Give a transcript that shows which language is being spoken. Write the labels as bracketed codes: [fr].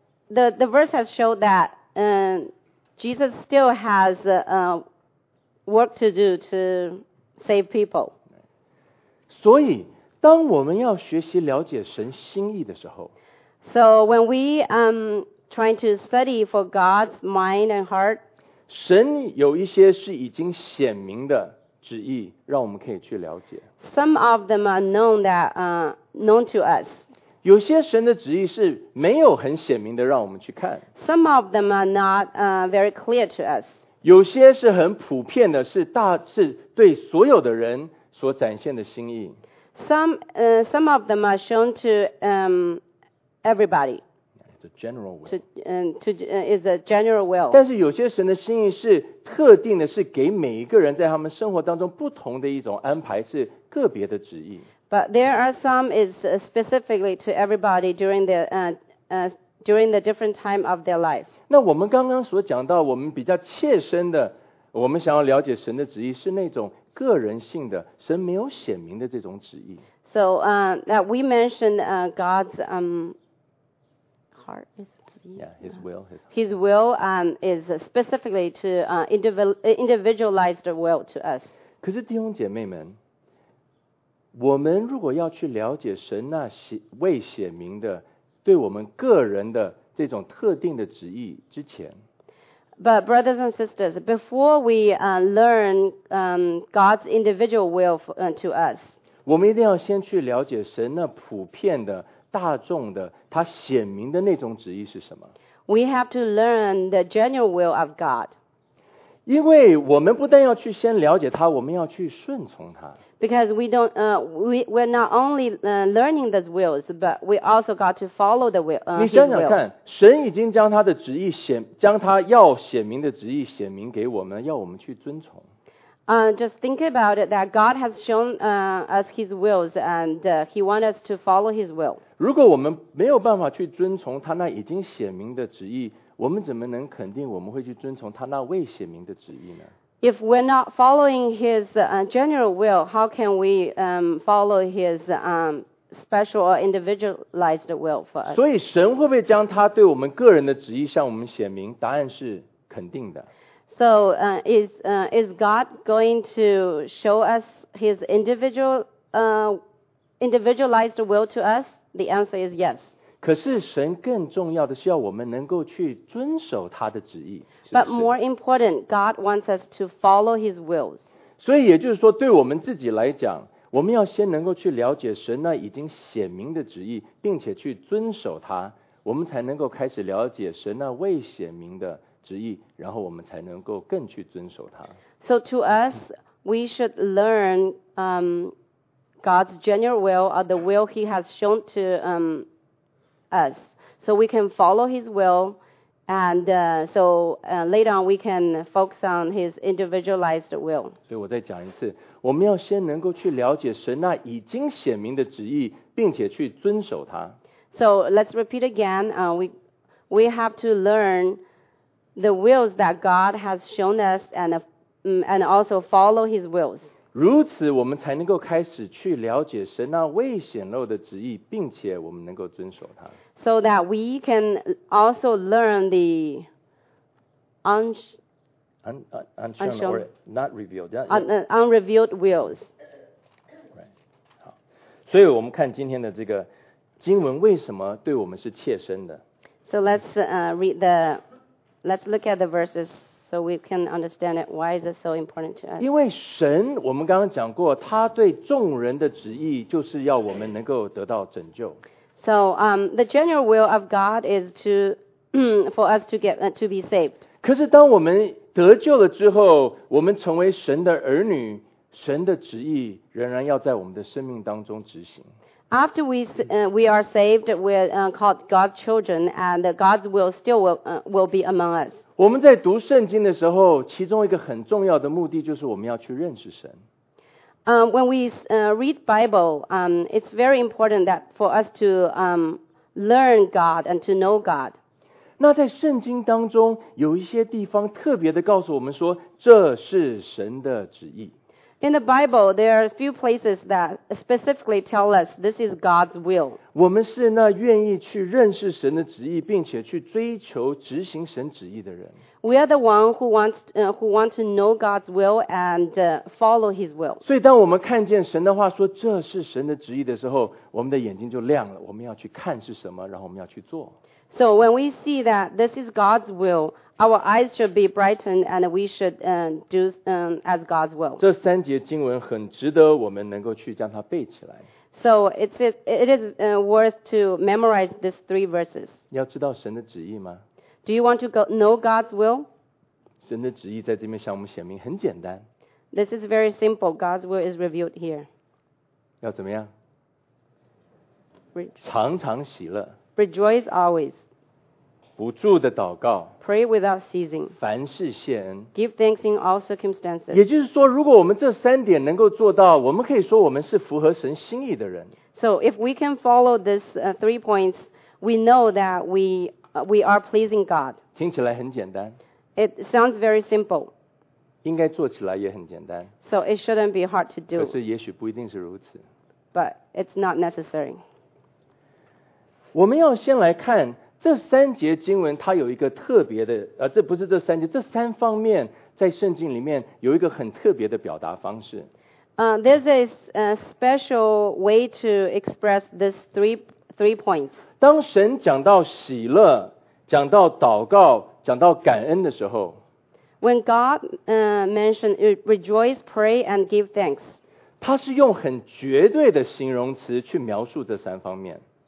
[en] The verse has showed that Jesus still has work to do to save people. [zh] 所以当我们要学习了解神心意的时候， [en] So when we trying to study for God's mind and heart. [zh] 神有一些是已经显明的旨意，让我们可以去了解。 [en] Some of them are known to us. [zh] 有些神的旨意是没有很显明的，让我们去看。 [en] Some of them are not very clear to us. [zh] 有些是很普遍的，是对所有的人所展现的心意。 [en] Some of them are shown to everybody. Is a general will. [zh] 但是有些神的心意是特定的，是给每一个人在他们生活当中不同的一种安排，是个别的旨意。 [en] But there are some is specifically to everybody during the during the different time of their life. [zh] 那我们刚刚所讲到我们比较切身的我们想要了解神的旨意是那种个人性的神没有显明的这种旨意。 [en] So, that we mentioned God's heart, is it? Yeah, his will. His will is specifically to individualize the will to us. [zh] 可是弟兄姐妹们我们如果要去了解神那未显明的对我们个人的这种特定的旨意之前 [en] But brothers and sisters, before we learn God's individual will to us, [zh] 我们一定要先去了解神那普遍的大众的他显明的那种旨意是什么 [en] We have to learn the general will of God. [zh] 因为我们不但要去先了解他我们要去顺从他 [en] Because we don't, we're not only learning those wills, but we also got to follow the will. [zh] 你想想看，神已经将他的旨意显，将他要显明的旨意显明给我们，要我们去遵从。 [en] Just think about it that God has shown us His wills, and He wants us to follow His will. [zh] 如果我们没有办法去遵从他那已经显明的旨意，我们怎么能肯定我们会去遵从他那未显明的旨意呢？ [en] If we're not following his general will, how can we follow his special or individualized will for us? [zh] 所以神会不会将他对我们个人的旨意向我们显明？答案是肯定的。 [en] So is God going to show us his individualized will to us? The answer is yes. [zh] 可是神更重要的是要我们能够去遵守他的旨意。 [en] But more important, God wants us to follow His wills. [zh] 所以也就是说，对我们自己来讲，我们要先能够去了解神那已经显明的旨意，并且去遵守它，我们才能够开始了解神那未显明的旨意，然后我们才能够更去遵守它。 [en] So to us, we should learn God's general will or the will He has shown to us, so we can follow His will. And so later on, we can focus on his individualized will. [zh] 所以我再讲一次，我们要先能够去了解神那已经显明的旨意，并且去遵守它。 [en] So let's repeat again. We have to learn the wills that God has shown us, and also follow His wills. [zh] 如此，我们才能够开始去了解神那未显露的旨意，并且我们能够遵守它。 [en] So that we can also learn the unshown or not revealed, unrevealed wills. Right. [zh] 好，所以我们看今天的这个经文为什么对我们是切身的。 [en] So let's read the, let's look at the verses so we can understand it. Why is it so important to us? [zh] 因为神，我们刚刚讲过，他对众人的旨意就是要我们能够得到拯救。 [en] So the general will of God is to for us to get to be saved. [zh] 可是当我们得救了之后，我们成为神的儿女，神的旨意仍然要在我们的生命当中执行。 [en] After we are saved, we're called God's children, and God's will still will be among us. [zh] 我们在读圣经的时候，其中一个很重要的目的就是我们要去认识神。 [en] When we read Bible, it's very important that for us to learn God and to know God. [zh] 那在圣经当中有一些地方特别的告诉我们说这是神的旨意。 [en] In the Bible, there are a few places that specifically tell us this is God's will. [zh] 我们是那愿意去认识神的旨意并且去追求执行神旨意的人。 [en] We are the one who wants to know God's will and follow His will. [zh] 所以当我们看见神的话说这是神的旨意的时候我们的眼睛就亮了我们要去看是什么然后我们要去做。 [en] So when we see that this is God's will, our eyes should be brightened and we should do as God's will. [zh] 这三节经文很值得我们能够去将它背起来。 [en] So it is worth to memorize these three verses. [zh] 你要知道神的旨意吗？ [en] Do you want to know God's will? [zh] 神的旨意在这边向我们显明，很简单。 [en] This is very simple. God's will is revealed here. [zh] 要怎么样？ [en] Rejoice. [zh] 常常喜乐。 [en] Rejoice always. [zh] 不住的祷告。 [en] Pray without ceasing. [zh] 凡事谢恩。 [en] Give thanks in all circumstances. [zh] 也就是说，如果我们这三点能够做到，我们可以说我们是符合神心意的人。 [en] So if we can follow these three points, we know that we are pleasing God. [zh] 听起来很简单。 [en] It sounds very simple. [zh] 应该做起来也很简单。 [en] So it shouldn't be hard to do. [zh] 可是也许不一定是如此。 [en] But it's not necessary. [zh] 我们要先来看这三节经文，它有一个特别的，这不是这三节，这三方面在圣经里面有一个很特别的表达方式。 [en] There's a special way to express this three points. [zh] 当神讲到喜乐，讲到祷告，讲到感恩的时候， [en] When God mentioned rejoice, pray, and give thanks, [zh] 他是用很绝对的形容词去描述这三方面。